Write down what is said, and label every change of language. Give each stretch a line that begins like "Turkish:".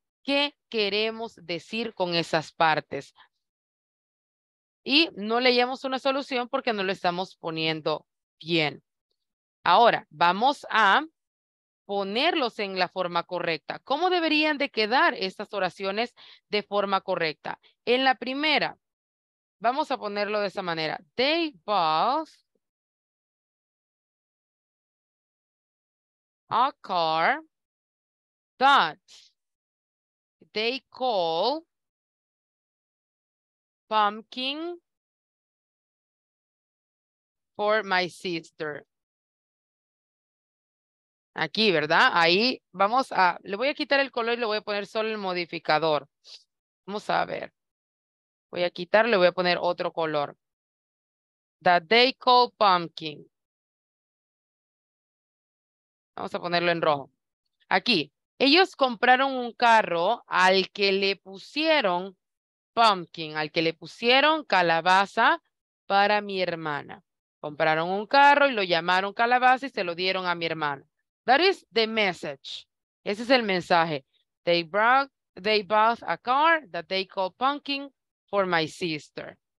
Spanish: ¿Qué queremos decir con esas partes? Y no le llamamos una solución porque no lo estamos poniendo bien. Ahora, vamos a ponerlos en la forma correcta. ¿Cómo deberían de quedar estas oraciones de forma correcta? En la primera, vamos a ponerlo de esa manera.
English: They bought a car that they call pumpkin for my sister.
Spanish: Aquí, ¿verdad? Ahí vamos a, le voy a quitar el color y le voy a poner solo el modificador. Vamos a ver. Voy a quitar, le voy a poner otro color.
English: That they call pumpkin.
Spanish: Vamos a ponerlo en rojo. Aquí, ellos compraron un carro al que le pusieron pumpkin, al que le pusieron calabaza para mi hermana. Compraron un carro y lo llamaron calabaza y se lo dieron a mi hermana.
English: That is the message.
Spanish: Ese es el mensaje.
English: They bought a car that they call pumpkin for my sister.